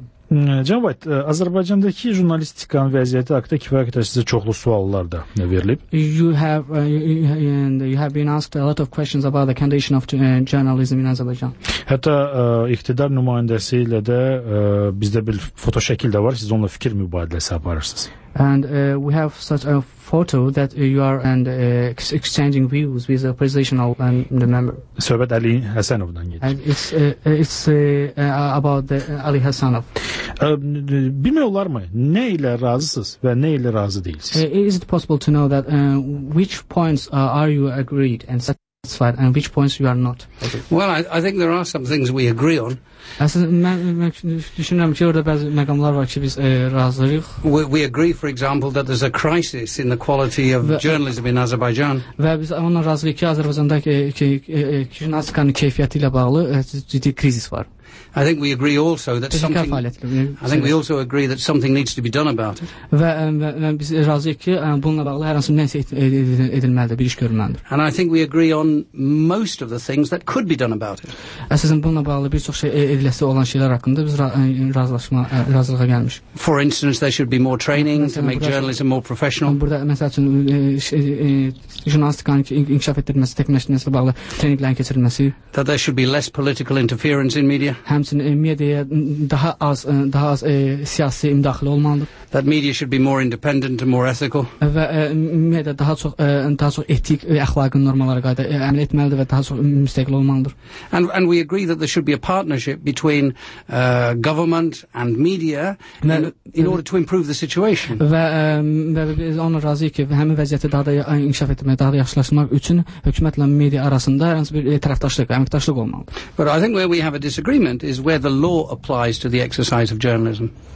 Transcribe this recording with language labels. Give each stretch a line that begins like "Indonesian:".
Azerbaijani: Cənab White, Azərbaycandakı jurnalistikanın vəziyyəti haqqında kifayət qədər sizə çoxlu suallar da verilib.
English: You have been asked a lot of questions about the condition of journalism in Azerbaijan.
Azerbaijani: Hətta iqtidar nümayəndəsi ilə də bizdə bir foto şəkil də var. Siz onunla fikir mübadiləsi aparırsınız.
English: And we have such a photo that you are and exchanging views with the oppositional and the member.
Azerbaijani: Söhbət Ali Həsənovdan gedir.
English: And it's about the Ali Həsənov.
Azerbaijani: Bilmək olar mı? Nə ilə razısınız və nə ilə razı deyilsiniz?
English: Is it possible to know that which points are you agreed and satisfied and which points you are not? Well, I think there are some things we agree on.
Azerbaijani: Düşünürəm ki, orada bəzi məqamlar var ki, biz razılıyıq.
English: We agree, for example, that there's a crisis in the quality of journalism in Azerbaijan.
Azerbaijani: Və biz onunla razılıyıq ki, Azərbaycanda jurnalistikanın keyfiyyəti ilə bağlı ciddi kriz var.
English: I think we agree also that something needs to be done about it.
Azerbaijani: Və biz razıyıq ki, bununla bağlı hər hansı nəsə edilməlidir, bir iş görülməlidir.
English: And I think we agree on most of the things that could be done about it.
Azerbaijani: Əsasən bununla bağlı bir çox şey ediləsi olan şeylər haqqında biz razılığa gəlmiş.
English: For instance, there should be more training to make journalism more professional.
Azerbaijani: Burada məsəl üçün jurnalistikanın inkişaf etdirilməsi, təkmilləşdirilməsi ilə bağlı treninglərin keçirilməsi.
English: That there should be less political interference in media.
Azerbaijani: Həmçinin mediaya daha az siyasi müdaxilə olmalıdır.
English: That media should be more independent and more ethical.
Azerbaijani: Və media daha çox etik və əxlaqi normalara qayda əməl etməlidir və daha çox müstəqil olmalıdır.
English: And we agree that there should be a partnership between government and media in order to improve the situation.
Azerbaijani: Və biz ona razıyıq ki, həmin vəziyyəti daha da inkişaf etdirmək, daha da yaxşılaşdırmaq üçün hökumətlə media arasında hər hansı bir tərəfdaşlıq, əməkdaşlıq olmalıdır.
English: But I think where we have a disagreement is where the law applies to the exercise of journalism.